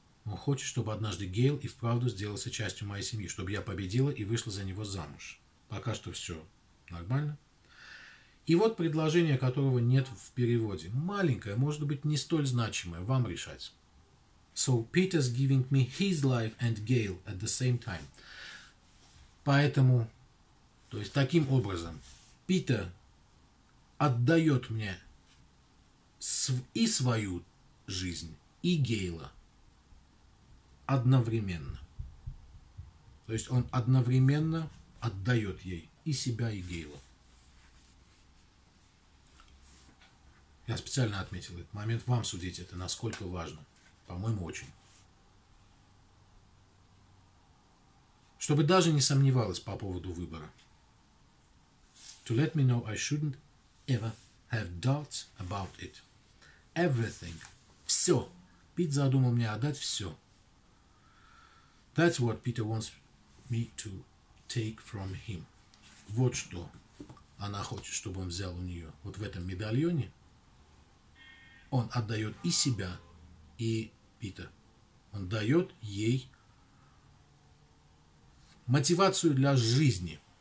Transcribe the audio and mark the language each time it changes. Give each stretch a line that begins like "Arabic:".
Russian: Он хочет, чтобы однажды Гейл и вправду сделался частью моей семьи, чтобы я победила и вышла за него замуж. Пока что все нормально. И вот предложение, которого нет в переводе. Маленькое, может быть, не столь значимое. Вам решать.
English: So Peter's giving me his life and Gail at the same time.
Russian: Поэтому, то есть таким образом, Питер отдает мне и свою жизнь, и Гейла одновременно. То есть он одновременно отдает ей и себя, и Гейла. Я специально отметил этот момент. Вам судить это, насколько важно. По-моему, очень. Чтобы даже не сомневалась по поводу выбора.
English: To let me know I shouldn't ever have doubts about it. Everything.
Russian: Все. Пит задумал мне отдать все.
English: That's what Peter wants me to take from him.
Russian: Вот что она хочет, чтобы он взял у нее. Вот в этом медальоне он отдает и себя, и Пита. Он дает ей мотивацию для жизни.